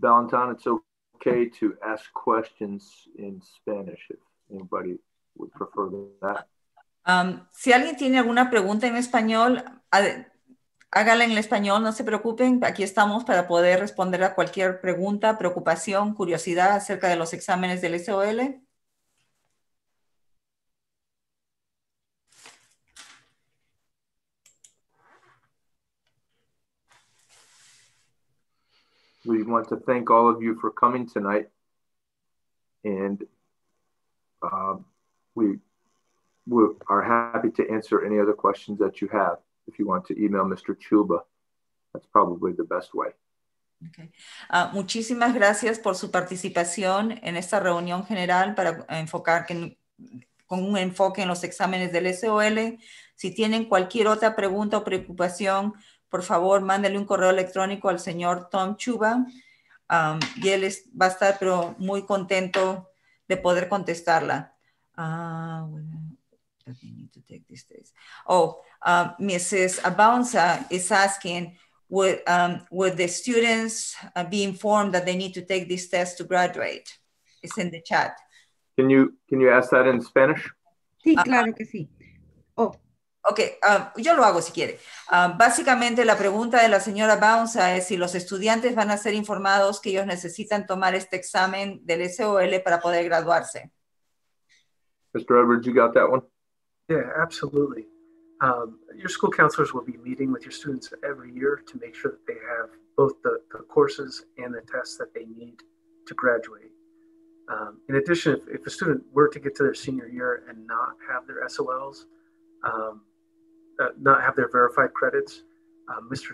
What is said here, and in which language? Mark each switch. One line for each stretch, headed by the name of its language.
English: Valentine, it's okay to ask questions in Spanish if anybody would prefer that.
Spanish: Si alguien tiene alguna pregunta en español, hágala en el español, no se preocupen. Aquí estamos para poder responder a cualquier pregunta, preocupación, curiosidad acerca de los exámenes del SOL.
English: We want to thank all of you for coming tonight, and we are happy to answer any other questions that you have. If you want to email Mr. Chuba, that's probably the best way. Okay.
Spanish: Muchísimas gracias por su participación en esta reunión general para enfocar con un enfoque en los exámenes del SOL. Si tienen cualquier otra pregunta o preocupación, por favor, mándele un correo electrónico al señor Tom Chuba y él va a estar pero muy contento de poder contestarla.
English: Mrs. Abanza is asking, would the students be informed that they need to take this test to graduate? It's in the chat. Can you ask that in Spanish?
Spanish: Sí, claro que sí. Oh. Ok, yo lo hago si quiere. Básicamente la pregunta de la señora Bounza es si los estudiantes van a ser informados que ellos necesitan tomar este examen del SOL para poder graduarse.
English: Mr. Edwards, you got that one? Yeah, absolutely. Your school counselors will be meeting with your students every year to make sure that they have both the courses and the tests that they need to graduate. In addition, if a student were to get to their senior year and not have their SOLs, not have their verified credits, Mr.